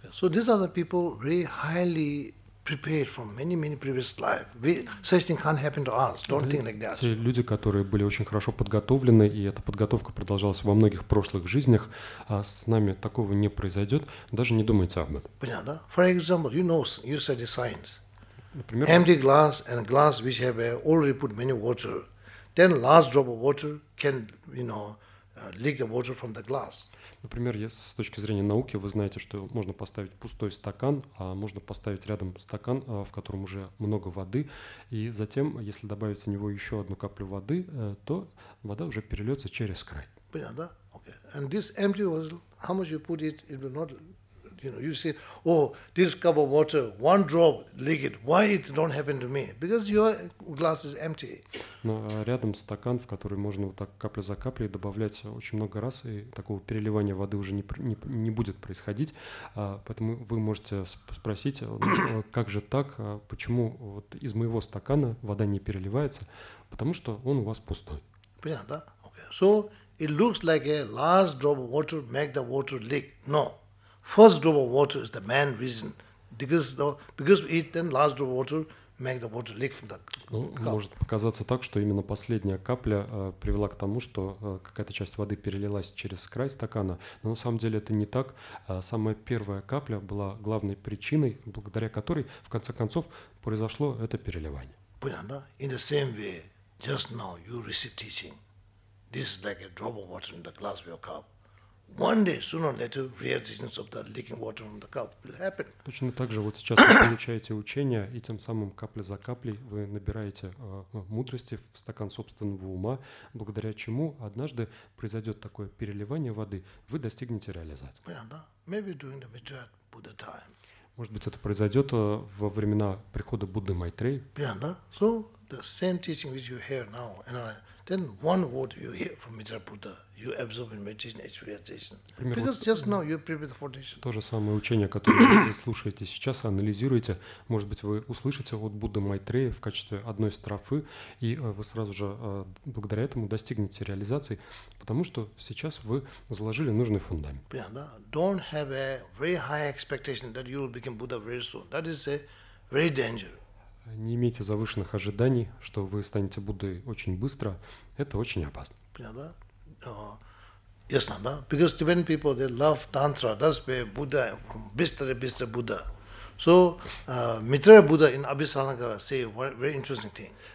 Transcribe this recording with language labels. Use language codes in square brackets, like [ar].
[en] So these are the people really highly prepared from many, many previous lives. Such thing can't happen to us. Don't think like that. [ru] Те люди, которые были очень хорошо подготовлены, и эта подготовка продолжалась во многих прошлых жизнях, с нами такого не произойдет. Даже не думайте об этом. Понятно? [en] For example, you study science. [ru] Например, [en] empty glass and glass which have already put many water. Then last drop of water can, leak the water from the glass. [ru] Например, если с точки зрения науки вы знаете, что можно поставить пустой стакан, а можно поставить рядом стакан, в котором уже много воды, и затем, если добавить в него еще одну каплю воды, то вода уже перельется через край. Понятно, да? [en] Okay. And this empty vessel, how much you put it, it will not, you say, oh, this cup of water, one drop leak it. Why it don't happen to me? Because your glass is empty. [ru] Но рядом стакан, в который можно вот так капля за каплей добавлять очень много раз, и такого переливания воды уже не будет происходить. Поэтому вы можете спросить, как же так, почему вот из моего стакана вода не переливается? Потому что он у вас пустой. Понятно, да? [en] Okay. So it looks like a last drop of water make the water leak. No. First drop of water is the main reason. Because it then last drop of water make the water leak from the cup. [ru] Может показаться так, что именно последняя капля привела к тому, что какая-то часть воды перелилась через край стакана. Но на самом деле это не так. Самая первая капля была главной причиной, благодаря которой, в конце концов, произошло это переливание. Понятно, да? [en] In the same way, just now you receive teaching. This is like a drop of water in the glass of your cup. One day, sooner or later, realizations of the leaking water from the cup will happen. [ru] Точно так же вот сейчас вы получаете учение, и тем самым капля за каплей вы набираете мудрости в стакан собственного ума, благодаря чему однажды произойдет такое переливание воды, вы достигнете реализации. Понятно, да? [en] Maybe during the Vajrayana Buddha time. [ru] Может быть, это произойдет во времена прихода Будды Майтрей. Понятно, да? [en] So, the same teaching which you hear now, and I... Then one word you hear from Vajrayana Buddha, you absorb in meditation, it's realization. Because just now you prepare the foundation. [ru] То же самое учение, которое вы слушаете сейчас, анализируете, может быть, вы услышите от Будды Майтрея в качестве одной строфы, и вы сразу же благодаря этому достигнете реализации, потому что сейчас вы заложили нужный фундамент. [en] Yeah, [ru] да? [en] Don't have a very high expectation that you will become Buddha very soon. That is a very dangerous. [ru] Не имейте завышенных ожиданий, что вы станете Буддой очень быстро. Это очень опасно. Понятно, да? Ясно, да? [en] Because Tibetan people, they love Tantra. That's where Buddha, [ru] быстро [en] Buddha. So, Maitreya Buddha in Abhisaranagara say very interesting thing.